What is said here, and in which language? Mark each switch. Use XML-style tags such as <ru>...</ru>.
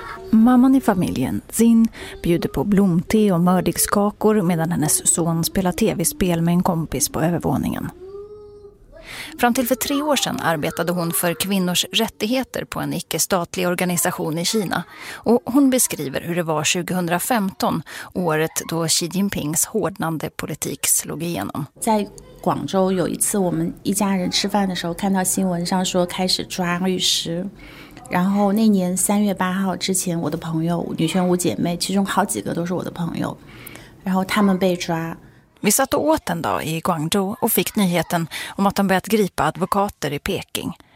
<sv>Mamman i familjen, Zin, bjuder på blomte och mördigskakor medan hennes son spelar tv-spel med en kompis på övervåningen. Fram till för 3 år sedan arbetade hon för kvinnors rättigheter på en icke-statlig organisation i Kina. Och hon beskriver hur det var 2015, året då Xi Jinpings hårdnande politik slog igenom. Säg.</sv> <zh>广州有一次我们一家人吃饭的时候看到新闻上说开始抓律师，然后那年3月8号之前我的朋友女权无姐妹，其中好几个都是我的朋友，然后他们被抓。</zh> <sv>Vi satt och åt en dag i Guangzhou och fick nyheten om att de börjat gripa advokater i Peking.</sv>